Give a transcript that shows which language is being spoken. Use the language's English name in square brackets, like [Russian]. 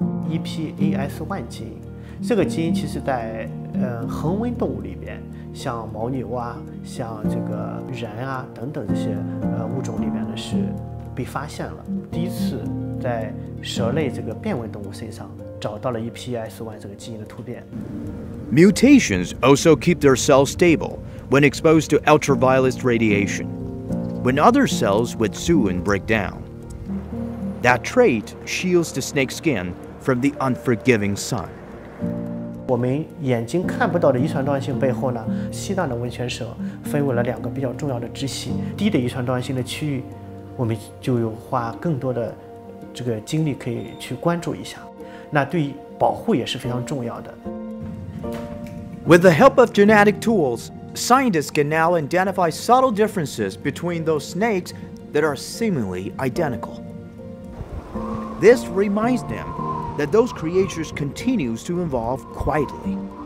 [Chinese] EPAS1 基因，这个基因其实在恒温动物里边，像牦牛啊，像这个人啊等等这些物种里边呢是被发现了，第一次在蛇类这个变温动物身上找到了 EPAS1 这个基因的突变。 [English] Mutations also keep their cells stable when exposed to ultraviolet radiation, when other cells would soon break down. That trait shields the snake skin from the unforgiving sun. [Chinese] 我们眼睛看不到的遗传多样性背后呢，西藏的温泉蛇分为了两个比较重要的支系。低的遗传多样性的区域，我们就有花更多的这个精力可以去关注一下。那对保护也是非常重要的。 [English] With the help of genetic tools, scientists can now identify subtle differences between those snakes that are seemingly identical. This reminds them that those creatures continue to evolve quietly.